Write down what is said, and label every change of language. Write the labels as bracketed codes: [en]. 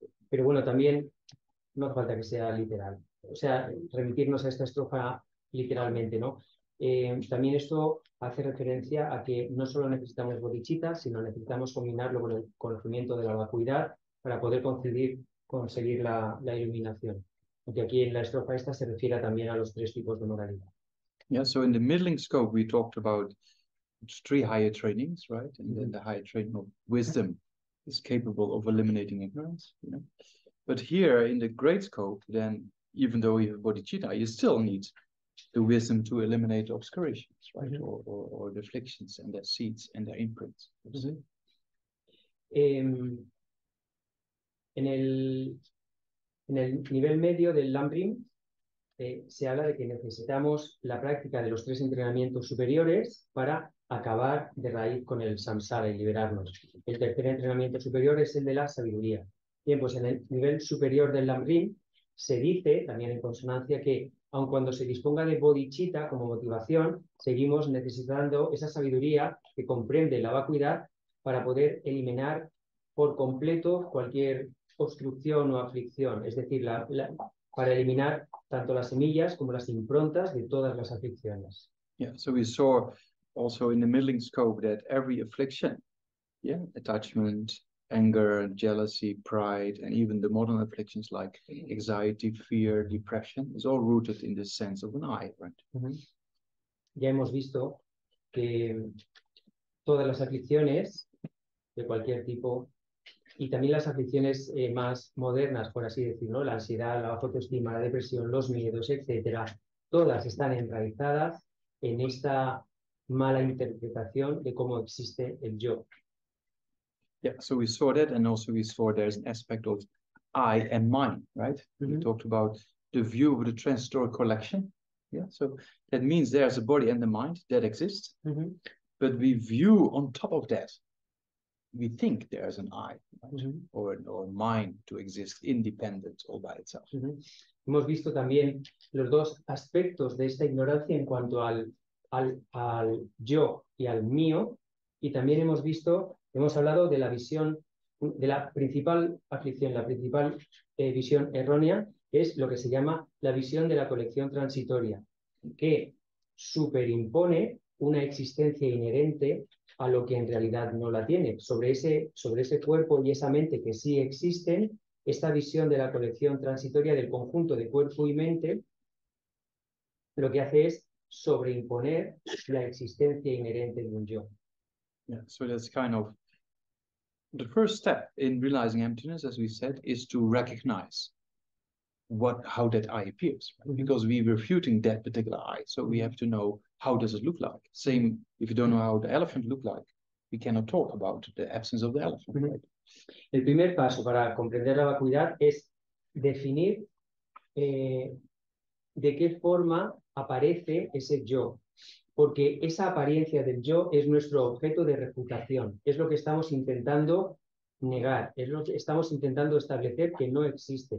[es] Pero bueno, también no hace falta que sea literal. O sea, remitirnos a esta estrofa literalmente, ¿no? También esto hace referencia a que no solo necesitamos bodhicitta, sino necesitamos combinarlo con el conocimiento de la vacuidad para poder conseguir la iluminación. Porque aquí en la estrofa esta se refiere también a los tres tipos de moralidad. [en] Yeah, so in the middling scope we talked about three higher trainings, right? And then the higher training of wisdom is capable of eliminating ignorance, you know. But here in the great scope, then even though you have bodhicitta, you still need the wisdom to eliminate obscurations, right? Mm-hmm. Or the afflictions and their seeds and their imprints. Mm-hmm. [es] En el nivel medio del Lambrim se habla de que necesitamos la práctica de los tres entrenamientos superiores para acabar de raíz con el samsara y liberarnos. El tercer entrenamiento superior es el de la sabiduría. Bien, pues en el nivel superior del Lambrim se dice, también en consonancia, que aun cuando se disponga de bodhicitta como motivación, seguimos necesitando esa sabiduría que comprende la vacuidad para poder eliminar por completo cualquier obstrucción o aflicción. Es decir, para eliminar tanto las semillas como las improntas de todas las aflicciones. [en] Yeah, so we saw also in the middling scope that every affliction, yeah, attachment, anger, jealousy, pride, and even the modern afflictions like anxiety, fear, depression, is all rooted in the sense of an I, right? Mm-hmm. [es] Ya hemos visto que todas las aflicciones de cualquier tipo y también las aflicciones más modernas, por así decirlo, la ansiedad, la baja autoestima, la depresión, los miedos, etcétera, todas están enraizadas en esta mala interpretación de cómo existe el yo. [en] Yeah, so we saw that, and also we saw there's an aspect of I and mine, right? Mm-hmm. We talked about the view of the transitory collection. Yeah, so that means there's a body and the mind that exists, mm-hmm. but we view on top of that. We think there's an I, right? Mm-hmm. or mind to exist independent all by itself. Mm-hmm. [es] Hemos visto también los dos aspectos de esta ignorancia en cuanto al yo y al mío, y también hemos hablado de la visión, de la principal aflicción, la principal visión errónea, que es lo que se llama la visión de la colección transitoria, que superimpone una existencia inherente a lo que en realidad no la tiene. Sobre ese cuerpo y esa mente que sí existen, esta visión de la colección transitoria del conjunto de cuerpo y mente, lo que hace es sobreimponer la existencia inherente de un yo. [en] Yeah, so that's kind of the first step in realizing emptiness, as we said, is to recognize how that I appears, right? Mm-hmm. Because we're refuting that particular I, so we have to know how does it look like. Same, if you don't know how the elephant look like, we cannot talk about the absence of the elephant. Mm-hmm. Right? [es] El primer paso para comprender la vacuidad es definir de qué forma aparece ese yo. Porque esa apariencia del yo es nuestro objeto de refutación, es lo que estamos intentando negar, es lo que estamos intentando establecer que no existe.